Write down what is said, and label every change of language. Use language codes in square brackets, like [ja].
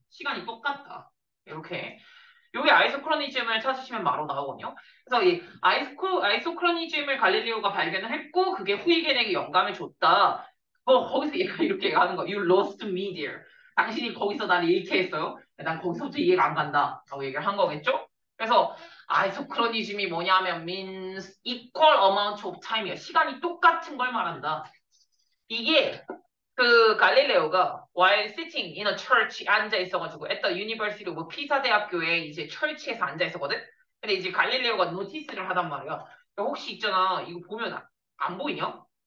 [ko] 시간이 똑같다. 이렇게. 요게 아이소크로니즘을 찾으시면 바로 나오거든요. 그래서 이 아이소크로니즘을 갈릴레오가 발견을 했고 그게 후이겐에게 영감을 줬다. 거기서 얘가 이렇게 하는 거. [en] You lost me, dear. [ko] 당신이 거기서 나를 잃게 했어요. 난 거기서부터 이해가 안 간다. 라고 얘기를 한 거겠죠? 그래서, 아이소크로니즘이 뭐냐면, [en] means equal amount of time [ko] 이야. 시간이 똑같은 걸 말한다. 이게, 그, 갈릴레오가, [en] while sitting in a church, [ko] 앉아 있어가지고, [en] at the University of Pisa [ko] 대학교에 이제 철치에서 앉아 있었거든? 근데 이제 갈릴레오가 노티스를 하단 말이야. 혹시 있잖아, 이거 보면 안 보이냐?